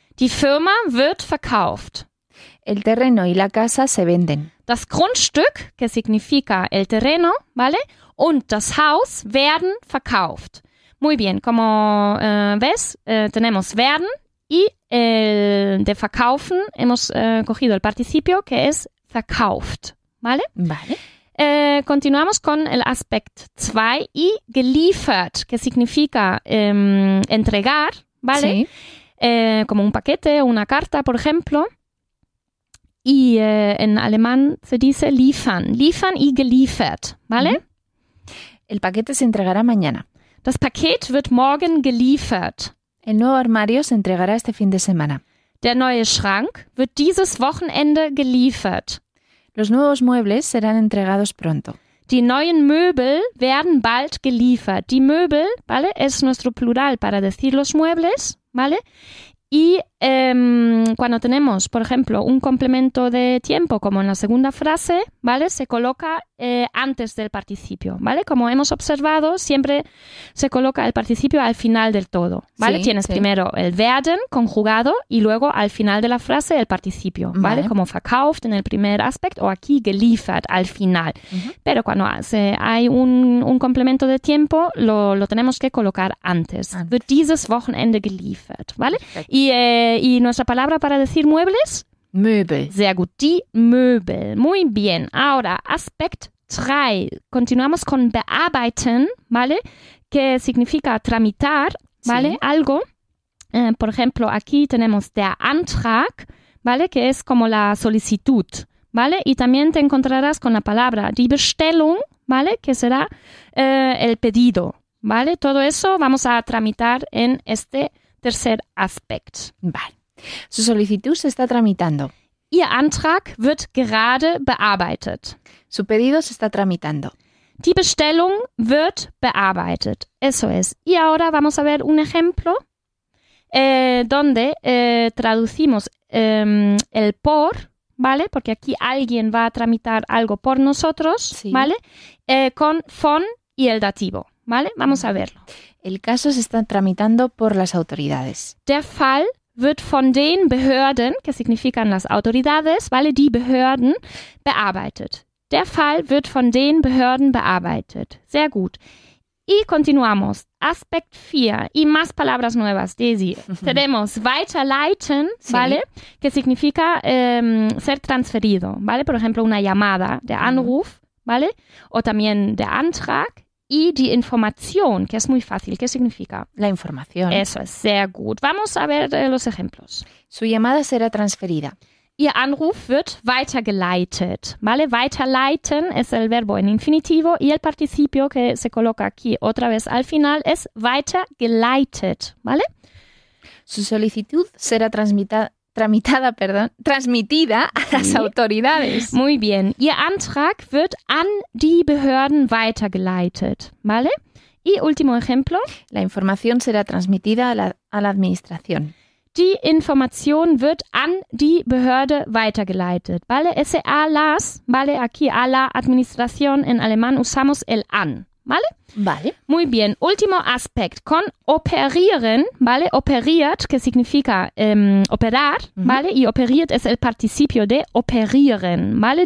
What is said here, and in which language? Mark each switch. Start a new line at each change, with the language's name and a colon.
German: Die Firma wird verkauft.
Spanish: El terreno y la casa se venden.
German: Das Grundstück,
Spanish: que significa el terreno, ¿vale?
German: Und das Haus werden verkauft.
Spanish: Muy bien, como ves, tenemos werden y el de verkaufen hemos cogido el participio, que es verkauft, ¿vale? Vale. Continuamos con el aspect 2 y geliefert, que significa entregar, ¿vale? Sí. Como un paquete o una carta, por ejemplo. Y en alemán se dice liefern. Liefern y geliefert, ¿vale? El paquete se entregará mañana.
German: Das Paket wird morgen geliefert.
Spanish: El nuevo armario se entregará este fin de semana.
German: Der neue Schrank wird dieses Wochenende geliefert.
Spanish: Los nuevos muebles serán entregados pronto.
German: Die neuen Möbel werden bald geliefert. Die Möbel, ¿vale?
Spanish: Es nuestro plural para decir los muebles, ¿vale? Y cuando tenemos, por ejemplo, un complemento de tiempo, como en la segunda frase, ¿vale? Se coloca antes del participio, ¿vale? Como hemos observado, siempre se coloca el participio al final del todo, ¿vale? Sí, tienes primero el werden conjugado y luego al final de la frase el participio, ¿vale? Vale. Como verkauft en el primer aspecto o aquí geliefert al final. Uh-huh. Pero cuando hay un complemento de tiempo, lo tenemos que colocar antes.
German: Wird dieses Wochenende geliefert, ¿vale?
Spanish: Y nuestra palabra para decir muebles?
German: Möbel. Sehr gut. Die Möbel.
Spanish: Muy bien.
German: Ahora, Aspekt 3.
Spanish: Continuamos con bearbeiten, ¿vale? Que significa tramitar, ¿vale? Sí. Algo. Por ejemplo, aquí tenemos der Antrag, ¿vale? Que es como la solicitud, ¿vale? Y también te encontrarás con la palabra die Bestellung, ¿vale? Que será el pedido, ¿vale? Todo eso vamos a tramitar en este tercer Aspekt. Vale. Su solicitud se está tramitando.
German: Ihr Antrag wird gerade bearbeitet.
Spanish: Su pedido se está tramitando.
German: Die Bestellung wird bearbeitet.
Spanish: Eso es. Y ahora vamos a ver un ejemplo donde traducimos el por, ¿vale? Porque aquí alguien va a tramitar algo por nosotros, sí. ¿Vale? Con von y el dativo, ¿vale? Vamos a verlo. El caso se está tramitando por las autoridades.
German: Der Fall wird von den Behörden,
Spanish: que significan las autoridades,
German: ¿vale? Die Behörden, bearbeitet. Der Fall wird von den Behörden bearbeitet. Sehr gut.
Spanish: Y continuamos.
German: Aspekt 4.
Spanish: Y más palabras nuevas, Daisy. Tenemos weiterleiten, ¿vale? Sí. Que significa ser transferido, ¿vale? Por ejemplo, una llamada, der Anruf, ¿vale? O también der Antrag. Y die Information, que es muy fácil. ¿Qué significa? La información. Eso es,
German: sehr gut.
Spanish: Vamos a ver los ejemplos. Su llamada será transferida.
German: Ihr Anruf wird weitergeleitet, ¿vale?
Spanish: Weiterleiten es el verbo en infinitivo y el participio que se coloca aquí otra vez al final es weitergeleitet, ¿vale? Su solicitud será transmitida a las autoridades. Muy bien.
German: Ihr Antrag wird an die Behörden weitergeleitet, ¿vale?
Spanish: Y último ejemplo. La información será transmitida a la administración.
German: Die Information wird an die Behörde weitergeleitet, ¿vale?
Spanish: Ese a las, ¿vale? Aquí a la administración en alemán usamos el an, ¿vale? Vale. Muy bien. Último aspecto. Con operieren, ¿vale? Operiert, que significa operar, ¿vale? Y operiert es el participio de operieren, ¿vale?